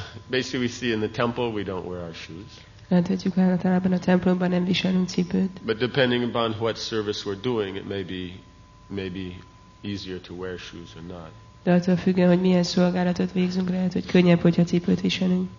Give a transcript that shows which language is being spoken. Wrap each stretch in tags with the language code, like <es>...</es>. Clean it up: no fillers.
<en>Basically, we see in the temple we don't wear our shoes.</en> <hu>Láthatjuk, hogy általában a templomban nem viselünk cipőt.</hu> <en>But depending upon what service we're doing, it may be easier to wear shoes or not.</en> <hu>De attól függően, hogy milyen szolgálatot végzünk, lehet, hogy könnyebb, hogyha cipőt viselünk.</hu>